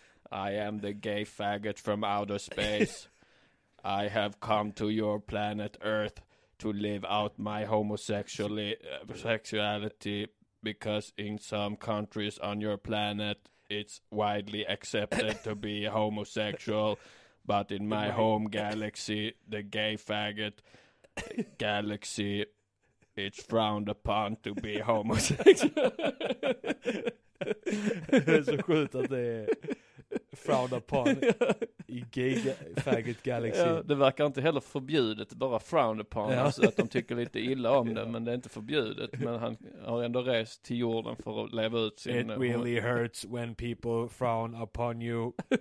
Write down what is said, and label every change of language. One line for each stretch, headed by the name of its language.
English: I am the gay faggot from outer space. I have come to your planet Earth to live out my homosexuality because in some countries on your planet it's widely accepted to be homosexual, but in my home galaxy, the gay faggot galaxy, it's frowned upon to be homosexual.
Swedish: Det är så sjukt att det är frowned upon i gay faggot galaxy. Ja, det verkar inte heller förbjudet, bara frowned upon. Ja. Alltså att de tycker lite illa om det, men det är inte förbjudet. Men han har ändå rest till jorden för att leva ut sin...
English: It really hurts when people frown upon you.